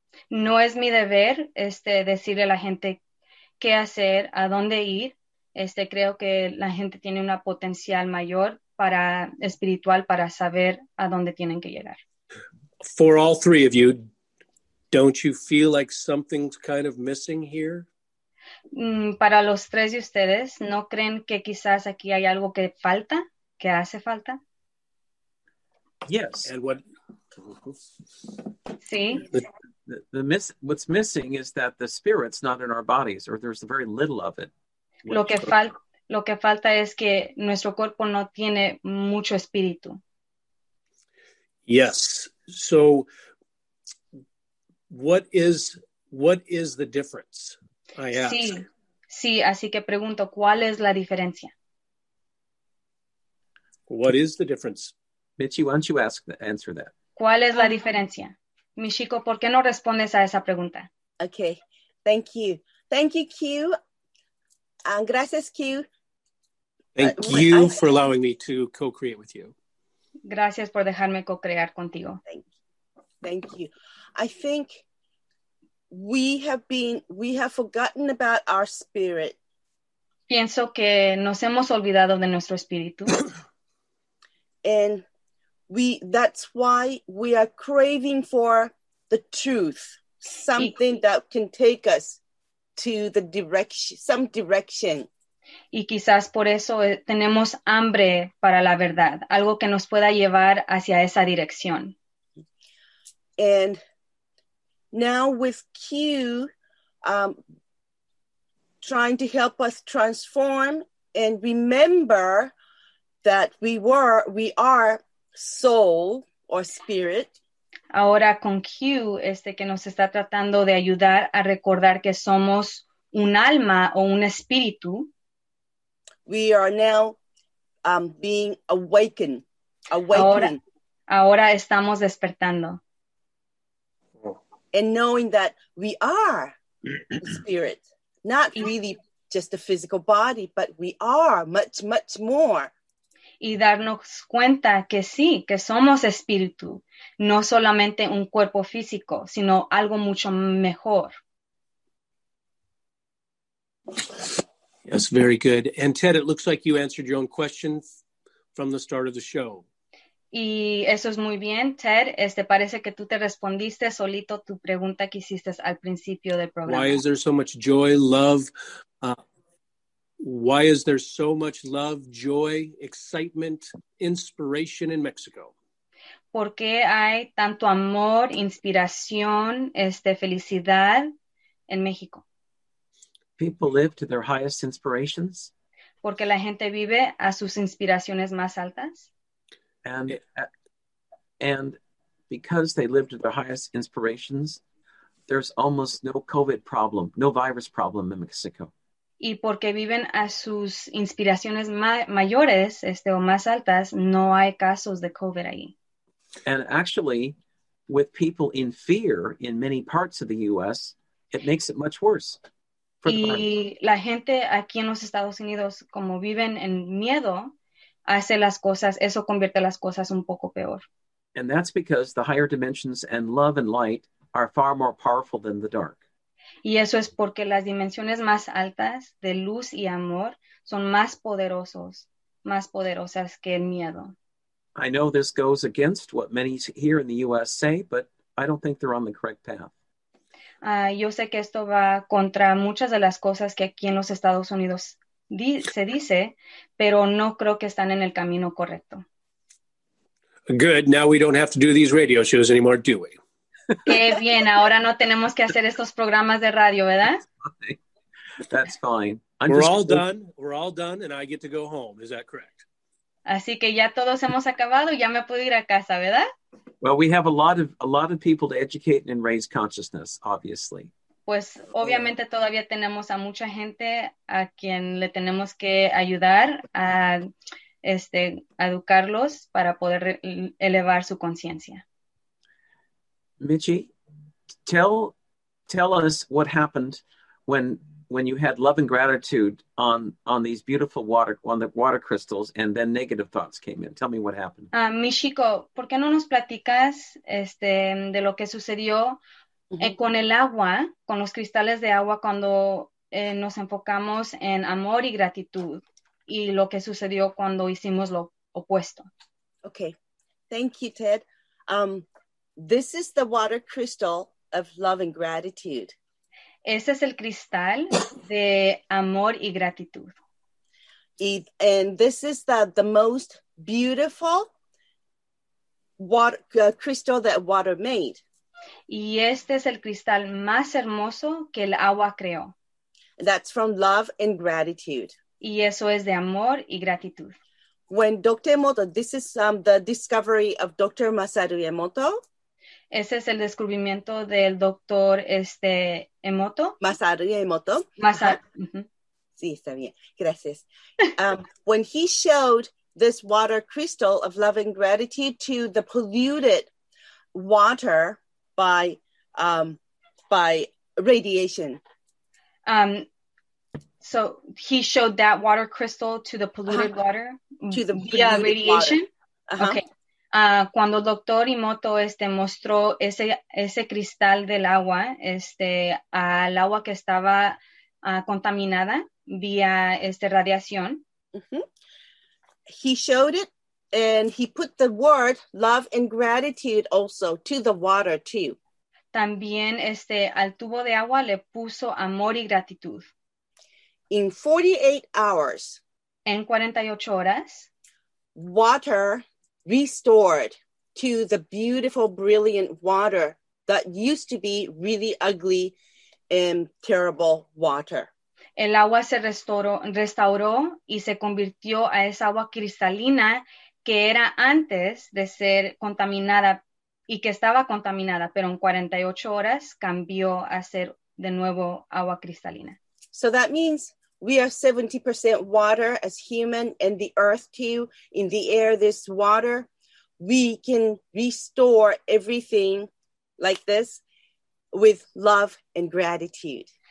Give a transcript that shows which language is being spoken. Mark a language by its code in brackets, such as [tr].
[es] No es mi deber decirle a la gente qué hacer, a dónde ir. Creo que la gente tiene una potencial mayor para espiritual para saber a dónde tienen que llegar. [en] For all three of you, don't you feel like something's kind of missing here? [es] Para los tres de ustedes, ¿no creen que quizás aquí hay algo que falta, que hace falta? [en] Yes. And what? [es] Sí. [en] What's missing is that the spirit's not in our bodies, or there's very little of it. [es] Lo que falta es que nuestro cuerpo no tiene mucho espíritu. [en] Yes. So, what is the difference? I ask. [es] Sí. Así que pregunto, ¿cuál es la diferencia? [en] What is the difference? Michi, why don't you answer that? [es] ¿Cuál es la diferencia? Michiko, ¿por qué no respondes a esa pregunta? [en] Okay. Thank you. Thank you, Q. [es] Gracias, [en] Q. Thank you for allowing me to co-create with you. [es] Gracias por dejarme co-crear contigo. [en] Thank you. I think we have forgotten about our spirit. [es] Pienso que nos hemos olvidado de nuestro espíritu. [en] That's why we are craving for the truth, something that can take us to the direction, some direction. [es] Y quizás por eso tenemos hambre para la verdad, algo que nos pueda llevar hacia esa dirección. [en] And now with Q trying to help us transform and remember that we are soul or spirit. [es] Ahora con Q que nos está tratando de ayudar a recordar que somos un alma o un espíritu. [en] We are now being awakened. [es] Ahora estamos despertando. [en] And knowing that we are spirit, not really just a physical body, but we are much, much more. [es] Y darnos cuenta que sí, que somos espíritu, no solamente un cuerpo físico, sino algo mucho mejor. [en] Yes, very good. And Ted, it looks like you answered your own question from the start of the show. [es] Y eso es muy bien, Ted. Parece que tú te respondiste solito tu pregunta que hiciste al principio del programa. [en] Why is there so much joy, love? Why is there so much love, joy, excitement, inspiration in Mexico? [es] ¿Por qué hay tanto amor, inspiración, felicidad en México? [en] People live to their highest inspirations. [es] Porque la gente vive a sus inspiraciones más altas. [en] And because they live to their highest inspirations, there's almost no COVID problem, no virus problem in Mexico. [es] Y porque viven a sus inspiraciones mayores, o más altas, no hay casos de COVID ahí. [en] And actually, with people in fear in many parts of the U.S., it makes it much worse. [es] Y la gente aquí en los Estados Unidos, como viven en miedo, hace las cosas, eso convierte las cosas un poco peor. [en] And that's because the higher dimensions and love and light are far more powerful than the dark. [es] Y eso es porque las dimensiones más altas de luz y amor son más poderosas que el miedo. [en] I know this goes against what many here in the U.S. say, but I don't think they're on the correct path. [es] Yo sé que esto va contra muchas de las cosas que aquí en los Estados Unidos se dice, pero no creo que están en el camino correcto. [en] Good. Now we don't have to do these radio shows anymore, do we? [es] Qué bien. Ahora no tenemos que hacer estos programas de radio, ¿verdad? [en] That's fine. We're all done. We're all done, and I get to go home. Is that correct? [es] Así que ya todos hemos acabado. Ya me puedo ir a casa, ¿verdad? [en] Well, we have a lot of people to educate and raise consciousness, obviously. [es] Pues, obviamente, todavía tenemos a mucha gente a quien le tenemos que ayudar a educarlos para poder elevar su conciencia. [en] Michi, tell us what happened when you had love and gratitude on these beautiful water crystals, and then negative thoughts came in. Tell me what happened. [es] Michiko, ¿por qué no nos platicas de lo que sucedió con el agua, con los cristales de agua, cuando nos enfocamos en amor y gratitud, y lo que sucedió cuando hicimos lo opuesto? [en] Okay. Thank you, Ted. This is the water crystal of love and gratitude. [es] Ese es el cristal de amor y gratitud. [en] And this is the most beautiful crystal that water made. [es] Y este es el cristal más hermoso que el agua creó. [en] That's from love and gratitude. [es] Y eso es de amor y gratitud. [en] When Dr. Emoto, this is the discovery of Dr. Masaru Emoto. [es] Ese es el descubrimiento del doctor Emoto. Masaru Emoto. Masaru. Sí, está bien. Gracias. [en] when he showed this water crystal of love and gratitude to the polluted water by radiation. So he showed that water crystal to the polluted water? To the polluted water. Via radiation? Uh-huh. [es] Okay. Cuando Dr. Emoto mostró ese cristal del agua al agua que estaba contaminada vía radiación. Mm-hmm. [en] He showed it and he put the word love and gratitude also to the water too. [es] También al tubo de agua le puso amor y gratitud. [en] In 48 hours. [es] En 48 horas. [en] Water restored to the beautiful, brilliant water that used to be really ugly and terrible water. [es] El agua se restauró y se convirtió a esa agua cristalina que era antes de ser contaminada y que estaba contaminada, pero en 48 horas cambió a ser de nuevo agua cristalina. [en] So that means we are 70% water as human, and the earth too. In the air, this water, we can restore everything like this with love and gratitude.